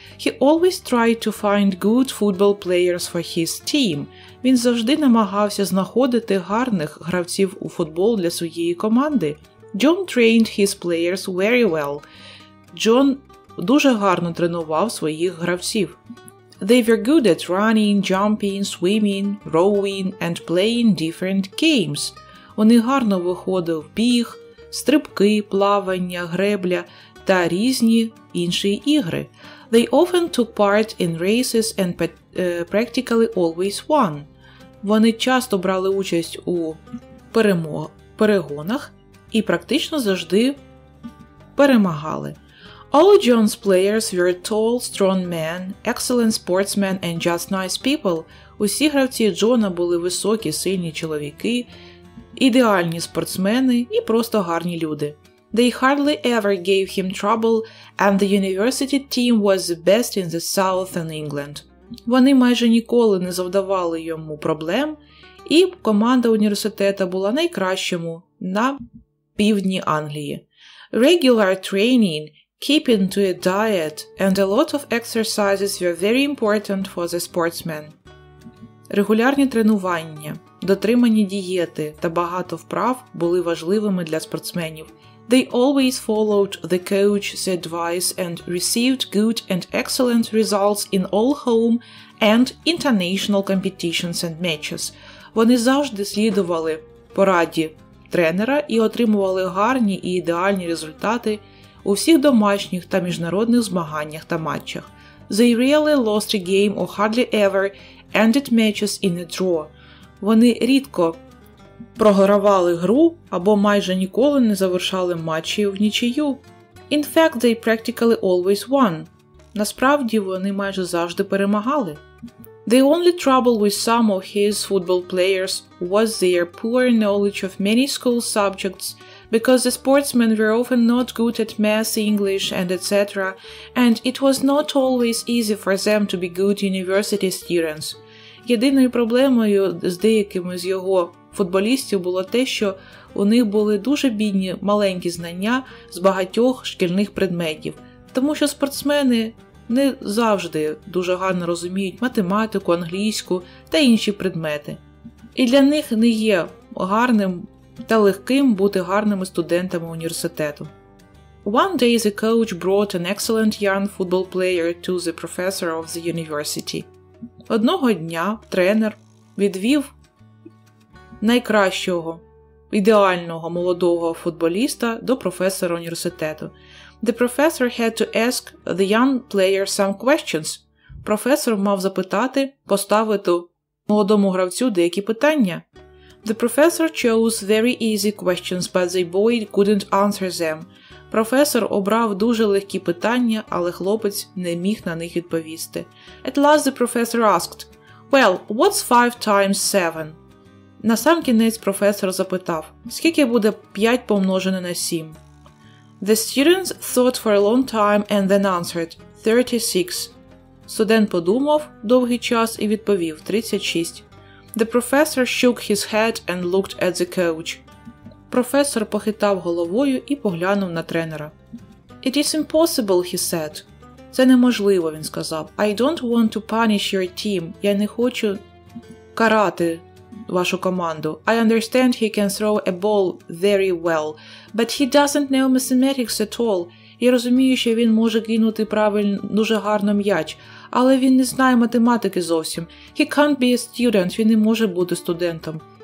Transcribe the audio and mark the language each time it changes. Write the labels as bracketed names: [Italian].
[English] He always tried to find good football players for his team. [Ukrainian] Він завжди намагався знаходити гарних гравців у футбол для своєї команди. [English] John trained his players very well. [Ukrainian] John дуже гарно тренував своїх гравців. [English] They were good at running, jumping, swimming, rowing and playing different games. [Ukrainian] Вони гарно виходили в біг, стрибки, плавання, гребля та різні інші ігри. [English] They often took part in races and practically always won. [Ukrainian] Вони часто брали участь у перегонах і практично завжди перемагали. [English] All John's players were tall, strong men, excellent sportsmen and just nice people. [Ukrainian] Усі гравці Джона були високі, сильні чоловіки, ідеальні спортсмени і просто гарні люди. [English] They hardly ever gave him trouble and the university team was the best in the South and England. [Ukrainian] Вони майже ніколи не завдавали йому проблем і команда університету була найкращою на півдні Англії. [English] Regular training, keeping to a diet and a lot of exercises were very important for the sportsmen. [Ukrainian] Регулярні тренування, дотримані дієти та багато вправ були важливими для спортсменів. [English] They always followed the coach's advice and received good and excellent results in all home and international competitions and matches. [Ukrainian] Вони завжди слідували пораді тренера і отримували гарні і ідеальні результати у всіх домашніх та міжнародних змаганнях та матчах. [English] They rarely lost a game or hardly ever ended matches in a draw. [Ukrainian] Вони рідко програвали гру або майже ніколи не завершали матчі в нічию. [English] In fact, they practically always won. [Ukrainian] Насправді вони майже завжди перемагали. [English] The only trouble with some of his football players was their poor knowledge of many school subjects because the sportsmen were often not good at math, English and etc. and it was not always easy for them to be good university students. [Ukrainian] Єдиною проблемою з деякими з його футболістів було те, що у них були дуже бідні маленькі знання з багатьох шкільних предметів, тому що спортсмени не завжди дуже гарно розуміють математику, англійську та інші предмети. І для них не є гарним та легким бути гарними студентами університету. [English] One day the coach brought an excellent young football player to the professor of the university. [Ukrainian] Одного дня тренер відвів найкращого, ідеального молодого футболіста до професора університету. [English] The professor had to ask the young player some questions. [Ukrainian] Професор мав запитати, поставити молодому гравцю деякі питання. [English] The professor chose very easy questions, but the boy couldn't answer them. [Ukrainian] Професор обрав дуже легкі питання, але хлопець не міг на них відповісти. [English] At last the professor asked, "Well, what's 5 times 7?" [Ukrainian] Насамкінець професор запитав, скільки буде 5 помножене на 7? [English] The student thought for a long time and then answered, 36. [Ukrainian] Студент подумав довгий час і відповів, 36. [English] The professor shook his head and looked at the coach. [Ukrainian] Професор похитав головою і поглянув на тренера. [English] It is impossible, he said. [Ukrainian] Це неможливо, він сказав. [English] I don't want to punish your team. [Ukrainian] Я не хочу карати вашу команду. [English] I understand he can throw a ball very well, but he doesn't know mathematics at all. [Ukrainian] Я розумію, що він може кинути правильно, дуже гарно м'яч, але він не знає математики зовсім. [English] He can't be a student. [Ukrainian] Він не може бути студентом.